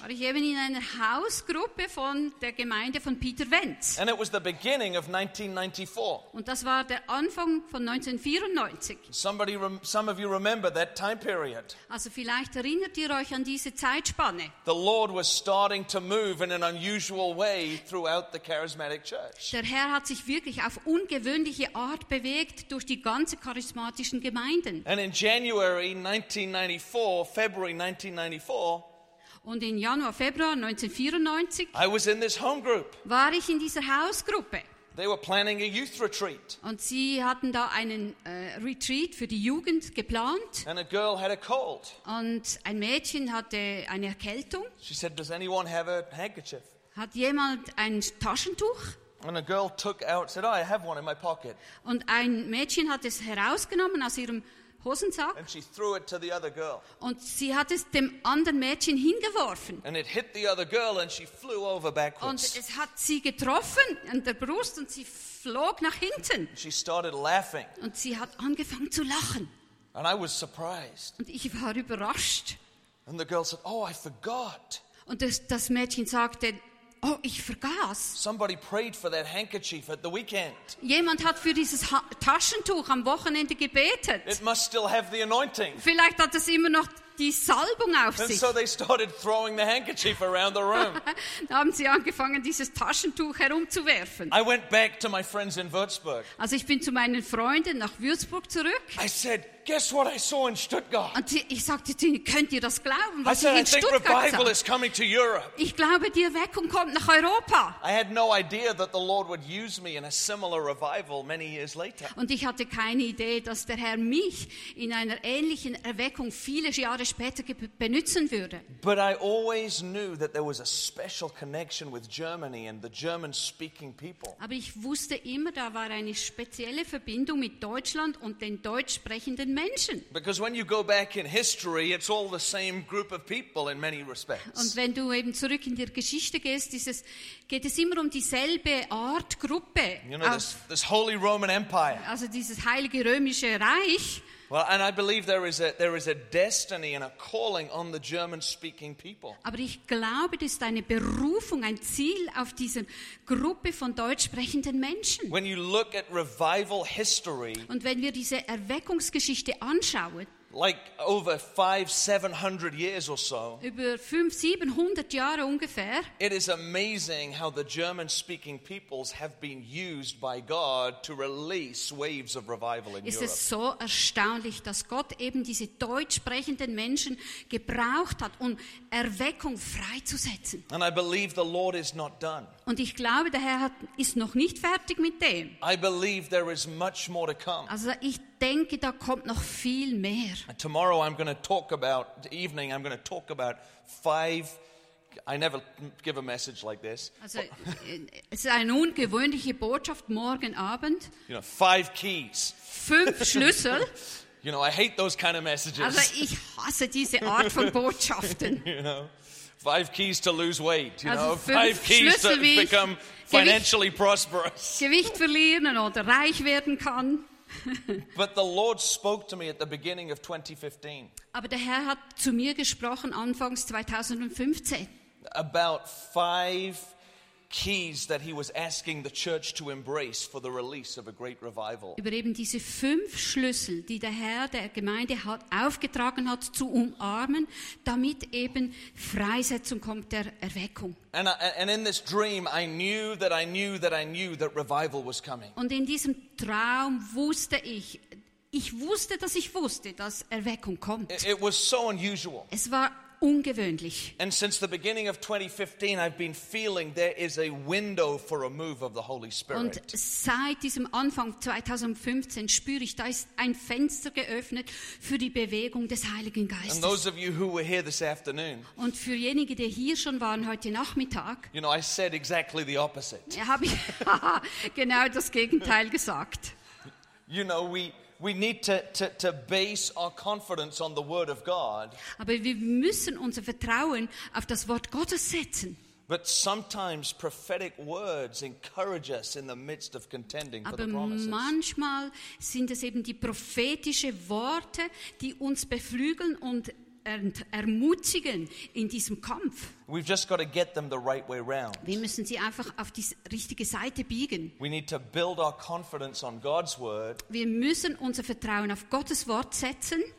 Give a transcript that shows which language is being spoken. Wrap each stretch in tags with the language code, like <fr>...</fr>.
<de>War ich eben in einer Hausgruppe von der Gemeinde von Peter Wenz.</de> <en>And it was the beginning of 1994.</en> <de>Und das war der Anfang von 1994.</de> <en>Some of you remember that time period.</en> <de>Also vielleicht erinnert ihr euch an diese Zeitspanne.</de> <en>The Lord was starting to move in an unusual way throughout the charismatic church.</en> <de>Der Herr hat sich wirklich auf ungewöhnliche Art bewegt durch die ganze charismatischen Gemeinden.</de> <en>And in January 1994, February 1994.</en> <de>Und in Januar, Februar 1994.</de> <en>I was in this home group.</en> <de>War ich in dieser Hausgruppe.</de> <en>They were planning a youth retreat.</en> <de>Und sie hatten da einen Retreat für die Jugend geplant.</de> <en>And a girl had a cold.</en> <de>Und ein Mädchen hatte eine Erkältung.</de> <en>She said, "Does anyone have a handkerchief?"</en> <de>Hat jemand ein Taschentuch?</de> <en>And a girl took out, said, "Oh, I have one in my pocket."</en> <de>Und ein Mädchen hat es herausgenommen aus ihrem Hosensack.</de> <en>And she threw it to the other girl.</en> <de>Und sie hat es dem anderen Mädchen hingeworfen.</de> <en>And it hit the other girl and she flew over backwards.</en> <de>Und es hat sie getroffen an der Brust und sie flog nach hinten.</de> <en>And she started laughing.</en> <de>Und sie hat angefangen zu lachen.</de> <en>And I was surprised.</en> <de>Und ich war überrascht.</de> <en>And the girl said, "Oh, I forgot."</en> <de>Und das Mädchen sagte, oh, ich vergaß.</de> <en>Somebody prayed for that handkerchief at the weekend.</en> <de>Jemand hat für dieses Taschentuch am Wochenende gebetet.</de> <en>It must still have the anointing.</en> <de>Vielleicht hat es immer noch die Salbung auf</de> <en>and</en> <de>sich.</de> <en>So they started throwing the handkerchief around the room.</en> <de>Da haben sie angefangen, dieses Taschentuch herumzuwerfen.</de> <en>I went back to my friends in Würzburg.</en> <de>Also ich bin zu meinen Freunden nach Würzburg zurück.</de> <en>I said, "Guess what I saw in Stuttgart?"</en> <de>Und ich sagte zu ihnen, könnt ihr das glauben, was</de> <en>I</en> <de>ich</de> <en>said,</en> <de>in Stuttgart</de> <en>is coming to Europe.</en> <de>Ich glaube, die Erweckung kommt nach Europa.</de> <en>I had no idea that the Lord would use me in a similar revival many years later.</en> <de>Und ich hatte keine Idee, dass der Herr mich in einer ähnlichen Erweckung viele Jahre später benutzen würde.</de> <en>But I always knew that there was a special connection with Germany and the German-speaking people.</en> <de>Aber ich wusste immer, da war eine spezielle Verbindung mit Deutschland und den deutsch sprechenden Menschen.</de> <en>Because when you go back in history, it's all the same group of people in many respects.</en> <de>Und wenn du eben zurück in die Geschichte gehst, geht es immer um dieselbe Art Gruppe.</de> <en>You know, this Holy Roman Empire.</en> <de>Also dieses Heilige Römische Reich.</de> <en>Well, and I believe there is a destiny and a calling on the German-speaking people.</en> <de>Aber ich glaube, das ist eine Berufung, ein Ziel auf diese Gruppe von deutsch sprechenden Menschen.</de> <en>When you look at revival history,</en> <de>und wenn wir diese Erweckungsgeschichte anschauen,</de> <en>like over 500-700 years or so,</en> <de>über 500-700 Jahre ungefähr,</de> <en>it is amazing how the German-speaking peoples have been used by God to release waves of revival in Europe.</en> <de>Ist es so erstaunlich, dass Gott eben diese deutsch sprechenden Menschen gebraucht hat, um Erweckung freizusetzen.</de> <en>And I believe the Lord is not done.</en> <de>Und ich glaube, der Herr ist noch nicht fertig mit dem.</de> <en>I believe there is much more to come.</en> <de>Also ich denke, da kommt noch viel mehr.</de> <en>Tomorrow I'm going to talk about, the evening I'm going to talk about five, I never give a message like this.</en> <de>Also es ist eine ungewöhnliche Botschaft morgen Abend.</de> <en>You know, five keys.</en> <de>Fünf Schlüssel.</de> <en>You know, I hate those kind of messages.</en> <de>Also ich hasse diese Art von Botschaften.</de> <en>You know. Five keys to lose weight, you</en> <de>also</de> <en>know. Five keys</en> <de>Schlüssel,</de> <en>to become financially prosperous.</en> <de>Gewicht verlieren oder reich werden kann.</de> <en>But the Lord spoke to me at the beginning of 2015.</en> <de>Aber der Herr hat zu mir gesprochen anfangs 2015.</de> <en>About five keys that he was asking the church to embrace for the release of a great revival.</en> <de>Über eben diese fünf Schlüssel, die der Herr der Gemeinde hat aufgetragen hat zu umarmen, damit eben Freisetzung kommt der Erweckung.</de> <en>And in this dream I knew that I knew that I knew that revival was coming.</en> <de>Und in diesem Traum wusste ich, ich wusste, dass ich wusste, dass Erweckung kommt.</de> <en>It was so unusual.</en> <de>Es war ungewöhnlich.</de> <en>And since the beginning of 2015, I've been feeling there is a window for a move of the Holy Spirit.</en> <de>Und seit diesem Anfang 2015 spüre ich, da ist ein Fenster geöffnet für die Bewegung des Heiligen Geistes.</de> <en>And those of you who were here this afternoon.</en> <de>Und für jene, die hier schon waren heute Nachmittag.</de> <en>You know, I said exactly the opposite.</en> <de>Habe ich genau das Gegenteil gesagt.</de> <en>You know, we need to base our confidence on the word of God.</en> <de>Aber wir müssen unser Vertrauen auf das Wort Gottes setzen.</de> <en>But sometimes prophetic words encourage us in the midst of contending</en> <de>Aber</de> <en>for the promises.</en> <de>Aber manchmal sind es eben die prophetischen Worte, die uns beflügeln und ermutigen in diesem Kampf.</de> <en>We've just got to get them the right way round.</en> <de>Wir müssen sie einfach auf die richtige Seite biegen.</de> <en>We need to build our confidence on God's word.</en> <de>Wir müssen unser Vertrauen auf Gottes Wort setzen.</de>